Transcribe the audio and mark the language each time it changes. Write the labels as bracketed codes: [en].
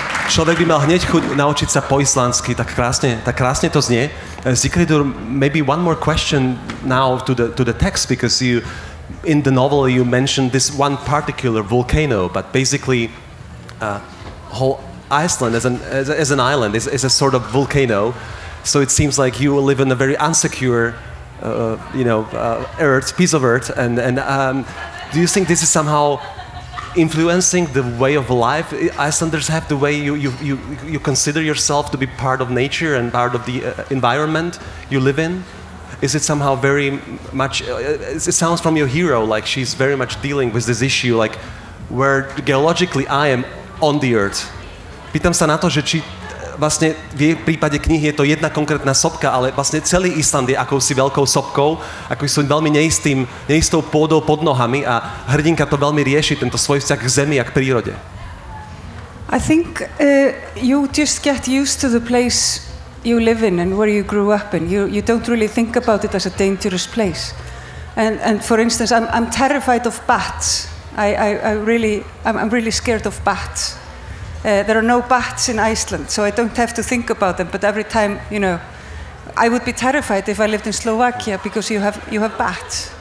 [sk] Človek by mal hneď chuť naučiť sa po islandsky, tak krásne to znie. [en] Zikridur, maybe one more question now to the text, because you, in the novel, you mentioned this one particular volcano, but basically, whole Iceland as an island is a sort of volcano. So it seems like you live in a very insecure, piece of earth. And do you think this is somehow influencing the way of life? Icelanders have the way you consider yourself to be part of nature and part of the environment you live in. Is it somehow very much, it sounds from your hero like she's very much dealing with this issue, like where geologically I am on the earth. [sk] Pýtam sa na to, že či vlastne v jej prípade knihy je to jedna konkrétna sopka, ale vlastne celý Island je akousi veľkou sopkou, akousi veľmi neistou pôdou pod nohami a hrdinka to veľmi rieši, tento svoj vzťah k zemi a k prírode. [en] I think you just get used to the place you live in and where you grew up in. You don't really think about it as a dangerous place. And for instance, I'm terrified of bats. I'm really scared of bats. There are no bats in Iceland, so I don't have to think about them. But every time, you know, I would be terrified if I lived in Slovakia because you have bats.